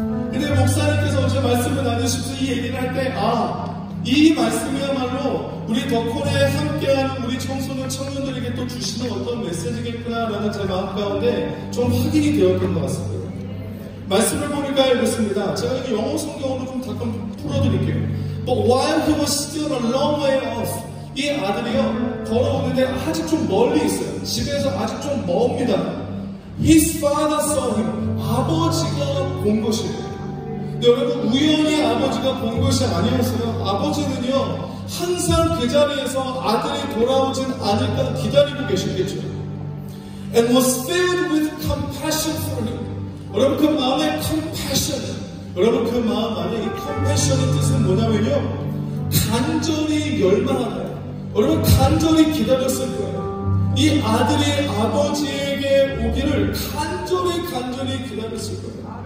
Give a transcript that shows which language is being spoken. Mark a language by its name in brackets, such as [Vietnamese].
[Korean] 근데 목사님께서 어제 말씀을 나누시면서 이 얘기를 할 때, 아, 이 말씀이야말로 우리 덕홀에 함께하는 우리 청소년 청년들에게 또 주시는 어떤 메시지겠구나라는 제 마음 가운데 좀 확인이 되었던 것 같습니다. 말씀을 보니까 이렇습니다. 제가 이 영어 성경으로 좀 잠깐 풀어드릴게요. [English] But while he was still a long way off, [Korean] 이 아들이요, 걸어오는데 아직 좀 멀리 있어요. 집에서 아직 좀 멉니다. [English] His father saw him. [Korean] 아버지가 본 것이에요. 근데 여러분, 우연히 아버지가 본 것이 아니었어요. 아버지는요, 항상 그 자리에서 아들이 돌아오진 않을까 기다리고 계셨겠죠. [English] And was filled with compassion for him. [Korean] 여러분, 그 마음의 compassion, 여러분, 그 마음 안에 compassion의 뜻은 뭐냐면요, 간절히 열망하다, 여러분 간절히 기다렸을 거예요. 이 아들이 아버지에게 오기를 간절히 간절히 기다렸을 거예요.